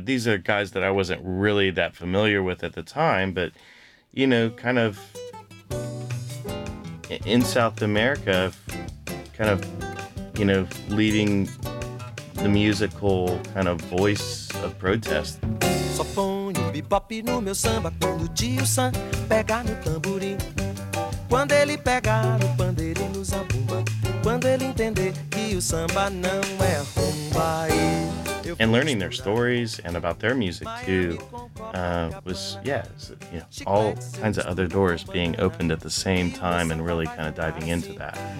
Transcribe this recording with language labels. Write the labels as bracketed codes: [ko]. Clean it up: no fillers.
[en] These are guys that I wasn't really that familiar with at the time, but, you know, kind of in South America, kind of, you know, leading the musical kind of voice of protest. [pt] Só ponho bebop no meu samba quando o tio Sam pegar no tamborim. Quando ele pegar o pandeiro no zabumba. Quando ele entender que o samba não é rumba. [en] And learning their stories and about their music too was all kinds of other doors being opened at the same time and really kind of diving into that.